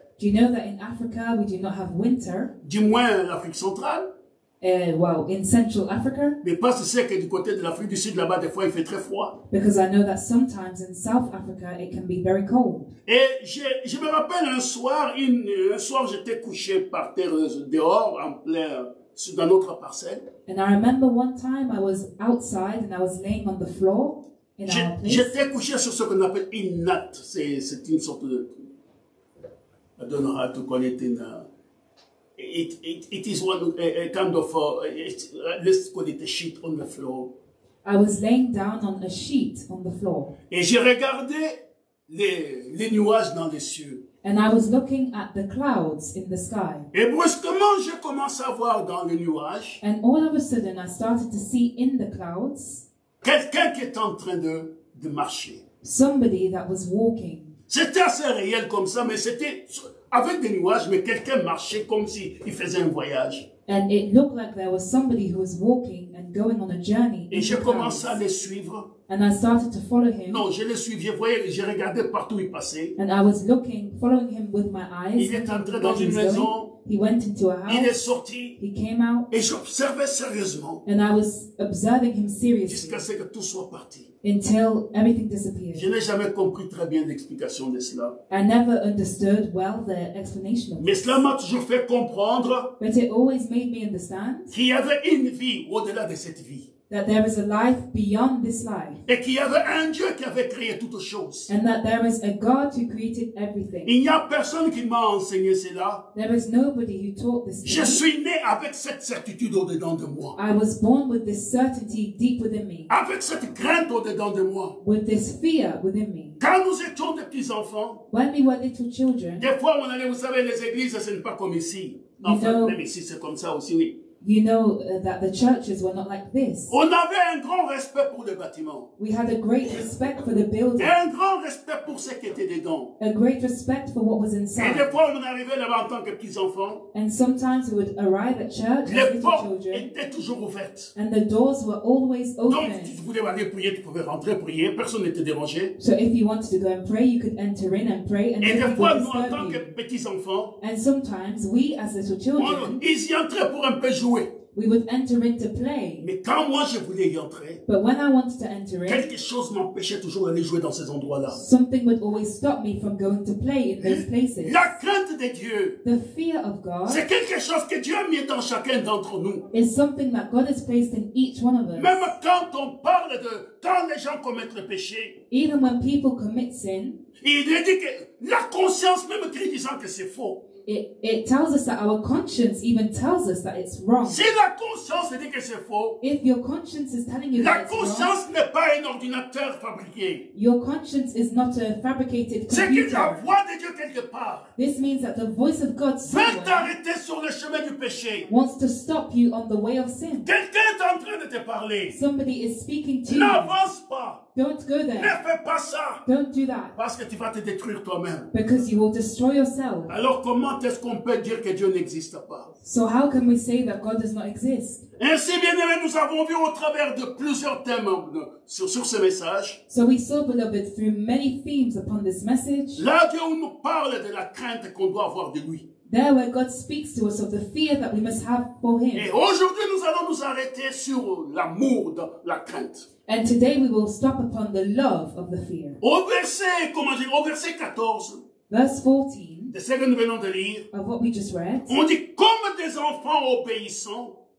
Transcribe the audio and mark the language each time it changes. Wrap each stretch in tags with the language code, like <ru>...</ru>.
<en>Do you know that in Africa we do not have winter?</en> <fr>Du moins l'Afrique centrale.</fr> <en>Well, in Central Africa.</en> <fr>Mais parce que c'est que du côté de l'Afrique du Sud, là-bas, des fois, il fait très froid.</fr> <en>Because I know that sometimes in South Africa, it can be very cold.</en> <fr>Et je me rappelle un soir, j'étais couché par terre dehors, en plein, dans notre parcelle.</fr> <en>And I remember one time I was outside and I was laying on the floor in our place.</en> <fr>J'étais couché sur ce qu'on appelle une natte. C'est une sorte de.</fr> <en>I don't know how to call it in. It is one a kind of let's call it a sheet on the floor. I was laying down on a sheet on the floor.</en> <fr>Et j'ai regardé les nuages dans les cieux.</fr> <en>And I was looking at the clouds in the sky.</en> <fr>Et brusquement, je commence à voir dans les nuages.</fr> <en>And all of a sudden, I started to see in the clouds.</en> <fr>Quelqu'un qui est en train de marcher.</fr> <en>Somebody that was walking.</en> <fr>C'était assez réel comme ça, mais c'était avec des nuages, mais quelqu'un marchait comme si il faisait un voyage.</fr> <en>And it looked like there was somebody who was walking and going on a journey.</en> <fr>Et je commençais à le suivre.</fr> <en>And I started to follow him.</en> <fr>Non, je le suivais, je regardais partout où il passait.</fr> <en>And I was looking, following him with my eyes.</en> <fr>Il est entré dans une maison.</fr> <en>He went into a house.</en> <fr>Il est sorti.</fr> <en>He came out.</en> <fr>Et j'observais sérieusement.</fr> <en>And I was observing him seriously.</en> <fr>Jusqu'à ce que tout soit parti.</fr> <en>Until everything disappeared.</en> <fr>Je n'ai jamais compris très bien l'explication de cela.</fr> <en>I never understood well the explanation of this.</en> <fr>Mais cela m'a toujours fait comprendre.</fr> <en>But it always made me understand.</en> <fr>Qu'il y avait une vie au-delà de cette vie.</fr> <en>That there is a life beyond this life.</en> <fr>Et qu'il y avait un Dieu qui avait créé toutes choses.</fr> <en>And that there is a God who created everything.</en> <fr>Il n'y a personne qui m'a enseigné cela.</fr> <en>There is nobody who taught this.</en> <fr>Je suis né avec cette certitude au-dedans de moi.</fr> <en>I was born with this certainty deep within me.</en> <fr>Avec cette crainte au-dedans de moi.</fr> <en>With this fear within me.</en> <fr>Quand nous étions des petits enfants.</fr> <en>When we were little children.</en> <fr>Des fois, on allait, vous savez, les églises, ce n'est pas comme ici. Même ici, c'est comme ça aussi, oui.</fr> <en>You know that the churches were not like this.</en> <fr>On avait un grand respect pour le bâtiment.</fr> <en>We had a great respect for the building.</en> <fr>Et un grand respect pour ce qui était dedans.</fr> <en>A great respect for what was inside.</en> <fr>Et des fois, on arrivait là-bas en tant que petits enfants.</fr> <en>And sometimes we would arrive at church</en> <fr>les Les portes étaient toujours ouvertes.</fr> <en>And the doors were always open.</en> <fr>Donc, si tu voulais aller prier, tu pouvais rentrer prier. Personne n'était dérangé.</fr> <en>So if you wanted to go and pray, you could enter in and pray. And</en> <fr>et des fois, nous en tant que petits enfants.</fr> <en>And sometimes we as little children.</en> <fr>Ils y entraient pour un peu jouer.</fr> <en>We would enter into play.</en> <fr>Mais quand moi je voulais y entrer,</fr> <en>but when I wanted to enter in,</en> <fr>quelque chose m'empêchait toujours d'aller jouer dans ces endroits-là.</fr> <en>Something would always stop me from going to play in those places.</en> <fr>La crainte de Dieu,</fr> <en>the fear of God,</en> <fr>c'est quelque chose que Dieu a mis dans chacun d'entre nous.</fr> <en>Is something that God has placed in each one of us.</en> <fr>Même quand on parle de quand les gens commettent le péché,</fr> <en>even when people commit sin,</en> <fr>il dit que la conscience même crie disant que c'est faux.</fr> <en>It tells us that our conscience even tells us that it's wrong.</en> <fr>Si la conscience dit que c'est faux,</fr> <en>if your conscience is telling you</en> <fr>la</fr> <en>that it's</en> <fr>conscience</fr> <en>wrong,</en> <fr>n'est pas un ordinateur fabriqué.</fr> <en>Your conscience is not a fabricated computer.</en> <fr>C'est que la voix de Dieu quelque part.</fr> <en>This means that the voice of God somewhere</en> <fr>veut t'arrêter sur le chemin du péché.</fr> <en>Wants to stop you on the way of sin.</en> <fr>Quelqu'un est en train de te parler.</fr> <en>Somebody is speaking to</en> <fr>n'avance</fr> <en>you.</en> <fr>N'avance pas.</fr> <en>Don't go there.</en> <fr>Ne fais pas ça.</fr> <en>Don't do that.</en> <fr>Parce que tu vas te détruire toi-même.</fr> <en>Because you will destroy yourself.</en> <fr>Alors comment est-ce qu'on peut dire que Dieu n'existe pas?</fr> <en>So how can we say that God does not exist?</en> <fr>Ainsi, bien-aimés, nous avons vu au travers de plusieurs thèmes sur ce message.</fr> <en>So we saw, beloved, through many themes upon this message.</en> <fr>Là, Dieu nous parle de la crainte qu'on doit avoir de lui.</fr> <en>There where God speaks to us of the fear that we must have for him.</en> <fr>Et aujourd'hui, nous allons nous arrêter sur l'amour de la crainte.</fr> <en>And today we will stop upon the love of the fear.</en> <fr>Au verset 14.</fr> <en>Verse 14.</en> <fr>De ce que nous venons de lire.</fr> <en>Of what we just read.</en> <fr>On dit comme des enfants obéissants.</fr>